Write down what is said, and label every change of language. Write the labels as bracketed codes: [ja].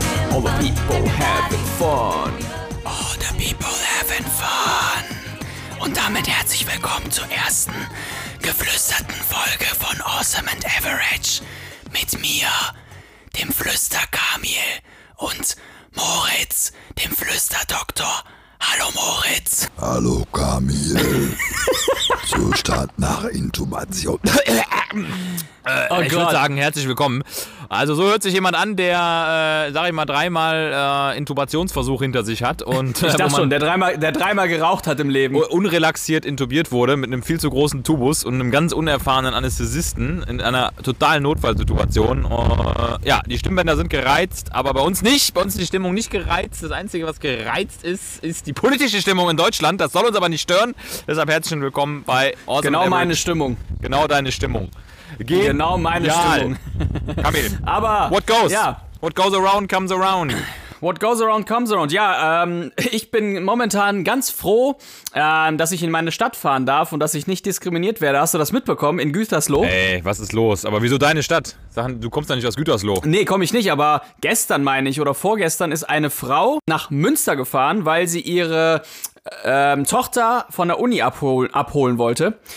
[en] All the people having fun. All the people having fun. [de] Und damit herzlich willkommen zur ersten geflüsterten Folge von Awesome and Average mit mir, dem Flüster-Kamil, und Moritz, dem Flüster-Doktor. Hallo Moritz. Hallo Kamil. Zu Start nach Intubation. Ich würde sagen, herzlich willkommen. Also so hört sich jemand an, der, sag ich mal, dreimal Intubationsversuch hinter sich hat. Und, ich dachte schon, der dreimal geraucht hat im Leben. Unrelaxiert intubiert wurde mit einem viel zu großen Tubus und einem ganz unerfahrenen Anästhesisten in einer totalen Notfallsituation. Ja, die Stimmbänder sind gereizt, aber bei uns nicht. Bei uns ist die Stimmung nicht gereizt. Das Einzige, was gereizt ist, ist die politische Stimmung in Deutschland. Das soll uns aber nicht stören. Deshalb herzlich willkommen bei Awesome. Genau meine Stimmung. Genau deine Stimmung. Genau meine Stimmung. Kamil. Aber [en] what goes? Ja. What goes around comes around. What goes around comes around. [de] Ja, ich bin momentan ganz froh, dass ich in meine Stadt fahren darf und dass ich nicht diskriminiert werde. Hast du das mitbekommen? In Gütersloh? Ey, was ist los? Aber wieso deine Stadt? Du kommst ja nicht aus Gütersloh. Nee, komme ich nicht. Aber gestern, meine ich, oder vorgestern, ist eine Frau nach Münster gefahren, weil sie ihre Tochter von der Uni abholen wollte.